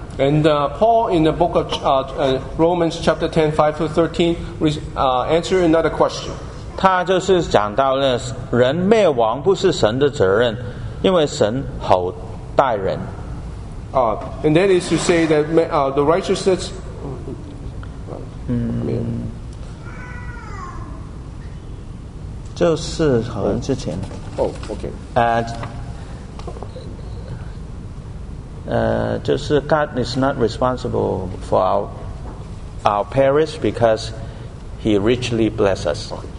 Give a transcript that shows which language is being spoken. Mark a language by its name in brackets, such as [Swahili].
[English] And Paul in the book of Romans chapter 10, 5-13, answer another question. [Chinese] 他就是讲到呢，人灭亡不是神的责任，因为神厚待人。 [English] And that is to say that the righteousness. [Chinese] 就是好像之前。 [English] Okay. God is not responsible for our perish because He richly bless us.